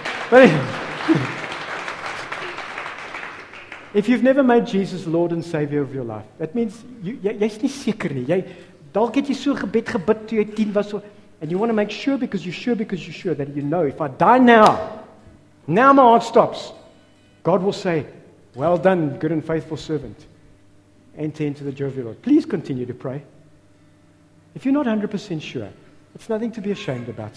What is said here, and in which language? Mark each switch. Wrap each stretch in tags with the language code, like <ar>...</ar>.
<en>But if you've never made Jesus Lord and Savior of your life, that means you're not sure.</en> <af>Dalk het jy so gebed gebid toe jy 10 was.</af> <en>And you want to make sure because you're sure that you know if I die now my heart stops, God will say, well done, good and faithful servant. Enter into the joy of your Lord. Please continue to pray. If you're not 100% sure, it's nothing to be ashamed about.</en>